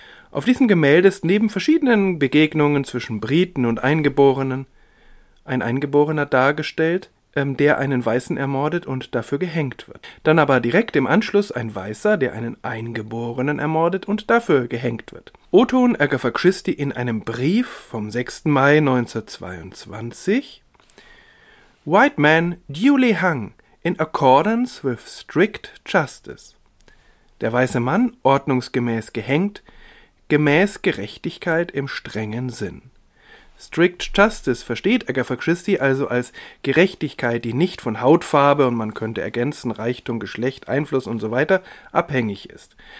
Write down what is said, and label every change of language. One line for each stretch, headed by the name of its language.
German: Auf diesem Gemälde ist neben verschiedenen Begegnungen zwischen Briten und Eingeborenen ein Eingeborener dargestellt, der einen Weißen ermordet und dafür gehängt wird. Dann aber direkt im Anschluss ein Weißer, der einen Eingeborenen ermordet und dafür gehängt wird. O-Ton Agatha Christie in einem Brief vom 6. Mai 1922.
English: White man duly hung in accordance with strict justice.
German: Der weiße Mann ordnungsgemäß gehängt, gemäß Gerechtigkeit im strengen Sinn. Strict Justice versteht Agatha Christie also als Gerechtigkeit, die nicht von Hautfarbe und man könnte ergänzen Reichtum, Geschlecht, Einfluss und so weiter abhängig ist.